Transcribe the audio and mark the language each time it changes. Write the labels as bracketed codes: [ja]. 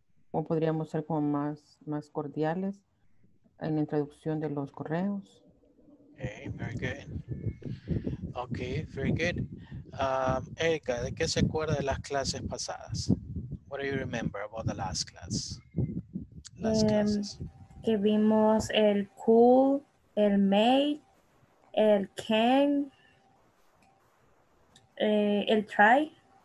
[es] ¿O podríamos ser como más cordiales en la introducción de los correos? [en] Okay, very good. Okay, very good. [es] Erika, ¿de qué se acuerda de las clases pasadas? [en] What do you remember about the last class? Last classes. [es] Que vimos el cool, el may, el can, el try.